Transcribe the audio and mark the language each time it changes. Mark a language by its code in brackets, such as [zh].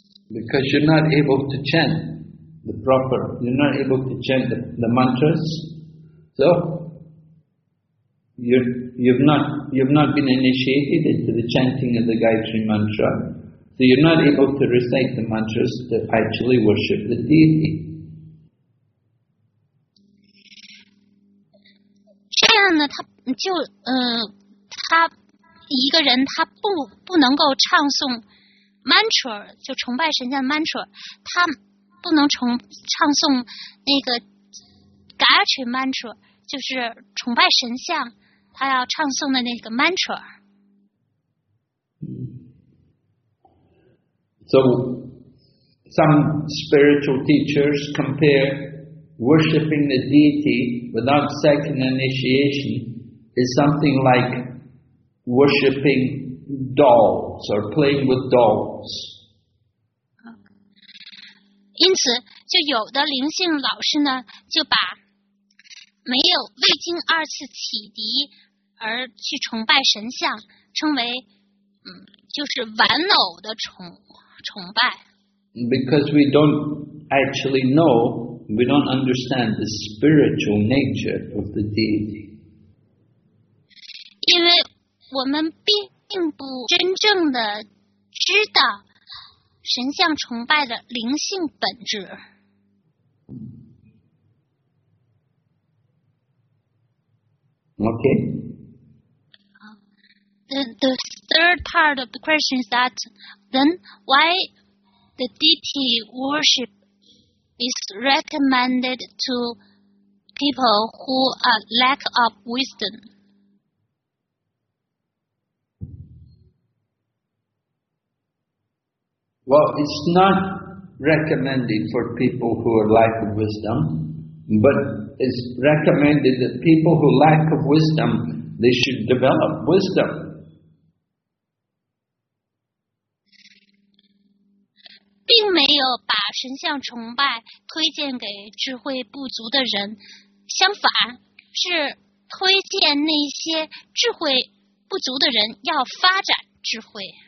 [en] Because you're not able to chant the proper, you're not able to chant the mantras, so you've not been initiated into the chanting of the Gayatri Mantra, so you're not able to recite the mantras to actually worship the deity. [zh] 这样呢，他一个人他不能够唱诵。 Mantra 就崇拜神像的 Mantra， 他不能唱诵那个 Gayatri Mantra， 就是崇拜神像，他要唱诵的那个 Mantra。 [en] So some spiritual teachers compare worshipping the deity without second initiation is something like worshipping. Dolls or playing with dolls. [zh] 因此，就有的灵性老师呢，就把没有未经二次启迪而去崇拜神像，称为就是玩偶的崇拜。 [en] Because we don't actually know, we don't understand the spiritual nature of the deity. [zh] 因为我们并不真正的知道神像崇拜的灵性本质。 [en] Okay. The third part of the question is that then why the deity worship is recommended to people who are lack of wisdom? Well, it's not recommended for people who are lack of wisdom, but it's recommended that people who lack of wisdom, they should develop wisdom. [zh] 并没有把神像崇拜推荐给智慧不足的人，相反，是推荐那些智慧不足的人要发展智慧。